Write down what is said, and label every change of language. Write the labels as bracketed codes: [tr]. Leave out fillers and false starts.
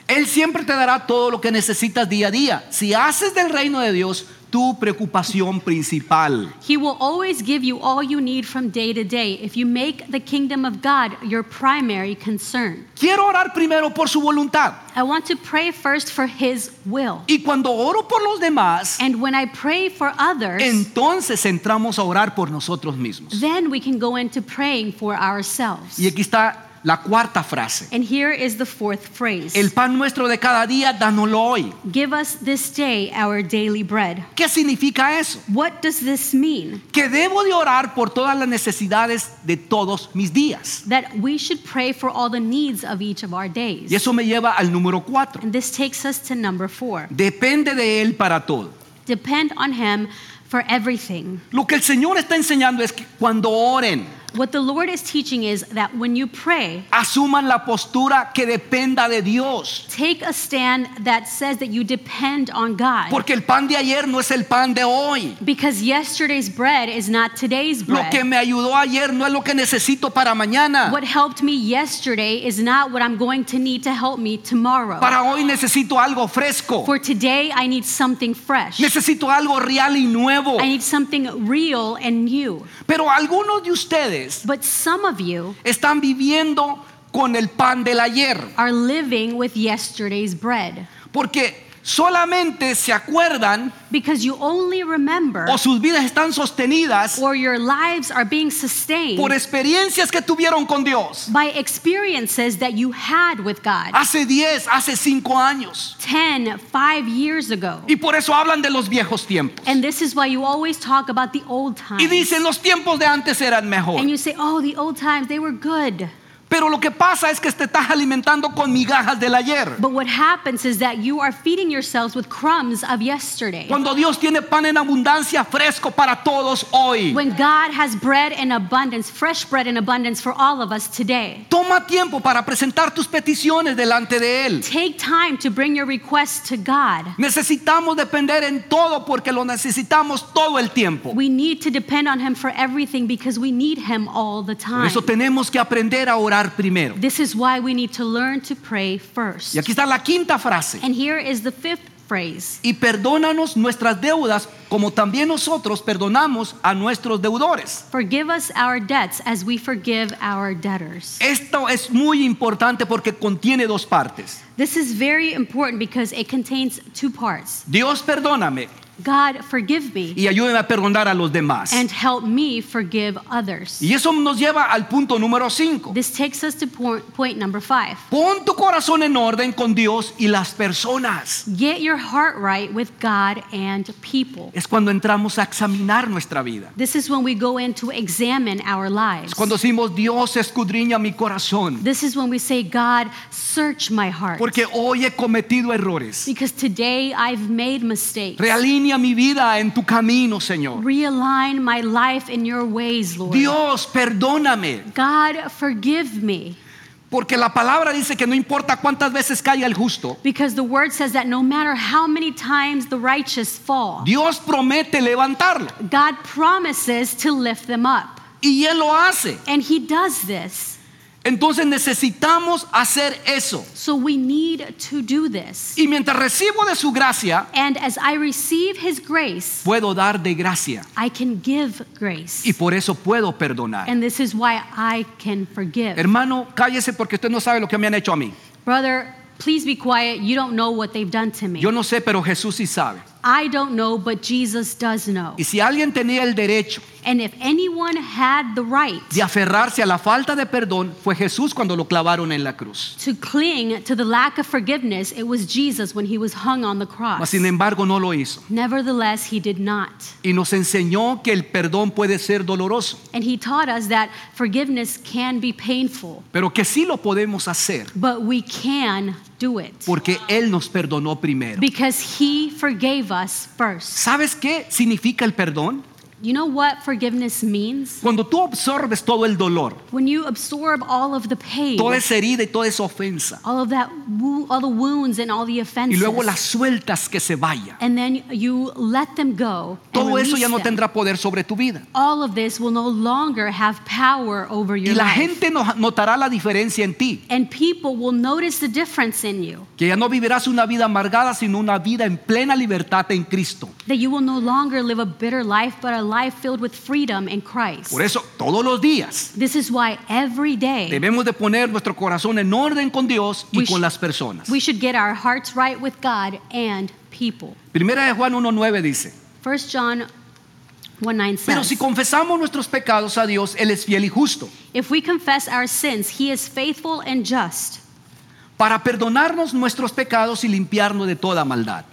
[es] Él siempre te dará todo lo que necesitas día a día. Si haces del reino de Dios tu preocupación principal. [en] He will always give you all you need from day to day if you make the kingdom of God your primary concern. [es] Quiero orar primero por su voluntad. [en] I want to pray first for his will. [es] Y cuando oro por los demás, [en] and when I pray for others, [es] entonces entramos a orar por nosotros mismos. [en] Then we can go into praying for ourselves. [es] Y aquí está la cuarta frase. [en] And here is the fourth phrase. [es] El pan nuestro de cada día, dánoslo hoy. [en] Give us this day our daily bread. [es] ¿Qué significa eso? [en] What does this mean? [es] Que debo de orar por todas las necesidades de todos mis días. [en] That we should pray for all the needs of each of our days. [es] Y eso me lleva al número cuatro. [en] And this takes us to number four. [es] Depende de él para todo. [en] Depend on him for everything. [es] Lo que el Señor está enseñando es que cuando oren, [en] what the Lord is teaching is that when you pray, [es] asuman la postura que dependa de Dios. [en] Take a stand that says that you depend on God. [es] Porque el pan de ayer no es el pan de hoy. [en] Because yesterday's bread is not today's bread. [es] Lo que me ayudó ayer no es lo que necesito para mañana. [en] What helped me yesterday is not what I'm going to need to help me tomorrow. [es] Para hoy necesito algo fresco. [en] For today I need something fresh. [es] Necesito algo real y nuevo. [en] I need something real and new. [es] Pero algunos de ustedes, [en] but some of you [es] están viviendo con el pan del ayer. [en] Are living with yesterday's bread. [es] Porque solamente se acuerdan, [en] because you only remember, [es] o sus vidas están sostenidas, [en] or your lives are being sustained, [es] por experiencias que tuvieron con Dios, [en] by experiences that you had with God, [es] hace 10, hace 5 años, [en] 10, 5 years ago, [es] y por eso hablan de los viejos tiempos, [en] and this is why you always talk about the old times, [es] y dicen los tiempos de antes eran mejor, [en] and you say, oh, the old times, they were good. [es] Pero lo que pasa es que te estás alimentando con migajas del ayer. [en] But what happens is that you are feeding yourselves with crumbs of yesterday. [es] Cuando Dios tiene pan en abundancia fresco para todos hoy. [en] When God has bread in abundance, fresh bread in abundance for all of us today. [es] Toma tiempo para presentar tus peticiones delante de Él. [en] Take time to bring your requests to God. [es] Necesitamos depender en todo porque lo necesitamos todo el tiempo. [en] We need to depend on Him for everything because we need Him all the time. [es] Por eso tenemos que aprender a orar. [en] This is why we need to learn to pray first. [es] Y aquí está la quinta frase. [en] And here is the fifth phrase. [es] Y perdónanos nuestras deudas como también nosotros perdonamos a nuestros deudores. [en] Forgive us our debts as we forgive our debtors. [es] Esto es muy importante porque contiene dos partes. [en] This is very important because it contains two parts. [es] Dios, perdóname. [en] God, forgive me. [es] Y ayúdame a perdonar a los demás. [en] And help me forgive others. [es] Y eso nos lleva al punto número 5. [en] This takes us to point number 5. [es] Pon tu corazón en orden con Dios y las personas. [en] Get your heart right with God and people. [es] Es cuando entramos a examinar nuestra vida. [en] This is when we go in to examine our lives. [es] Es cuando decimos, Dios, escudriña mi corazón. [en] This is when we say, God, search my heart. [es] Porque hoy he cometido errores. [en] Because today I've made mistakes. [es] Realinea mi vida en tu camino, Señor. [en] Realign my life in your ways, Lord. [es] Dios, perdóname. [en] God, forgive me. [es] Porque la palabra dice que no importa cuántas veces caiga el justo. [en] Because the word says that no matter how many times the righteous fall, [es] Dios promete levantarlo. [en] God promises to lift them up. [es] Y Él lo hace. [en] And He does this. [es] Entonces necesitamos hacer eso. [en] So we need to do this. [es] Y mientras recibo de su gracia, [en] and as I receive his grace, [es] puedo dar de gracia. [en] I can give grace. [es] Y por eso puedo perdonar. [en] And this is why I can forgive. [es] Hermano, cállese porque usted no sabe lo que me han hecho a mí. [en] Brother, please be quiet, you don't know what they've done to me. [es] Yo no sé, pero Jesús sí sabe. [en] I don't know, but Jesus does know. [es] Y si alguien tenía el derecho, [en] and if anyone had the right [es] de aferrarse a la falta de perdón, fue Jesús cuando lo clavaron en la cruz. [en] To cling to the lack of forgiveness, it was Jesus when he was hung on the cross. [es] Mas, sin embargo, no lo hizo. [en] Nevertheless, he did not. [es] Y nos enseñó que el perdón puede ser doloroso. [en] And he taught us that forgiveness can be painful. [es] Pero que sí lo podemos hacer. [en] But we can do it. [es] Porque él nos perdonó primero. [en] Because he forgave us first. [es] ¿Sabes qué significa el perdón? [en] You know what forgiveness means? [es] Cuando tú absorbes todo el dolor, [en] when you absorb all of the pain, [es] toda esa herida y toda esa ofensa, [en] all of that, all the wounds and all the offenses, [es] y luego las sueltas que se vaya, [en] and then you let them go, [es] todo eso ya no [en] them. [es] Tendrá poder sobre tu vida. [en] All of this will no longer have power over your life. [es] Y la [en] life. [es] Gente notará la diferencia en ti. [en] And people will notice the difference in you. [es] Que ya no vivirás una vida amargada, sino una vida en plena libertad en Cristo. [en] That you will no longer live a bitter life, but a life filled with freedom in Christ. [es] Por eso, todos los días, [en] this is why every day [es] debemos de poner nuestro corazón en orden con Dios y con las personas. [en] We should get our hearts right with God and people. [es] Primera de Juan 1:9 dice, [en] 1 John 1:9 says, [es] pero si confesamos nuestros pecados a Dios, Él es fiel y justo. [en] If we confess our sins, He is faithful and just. [es] Para perdonarnos nuestros pecados y limpiarnos de toda maldad.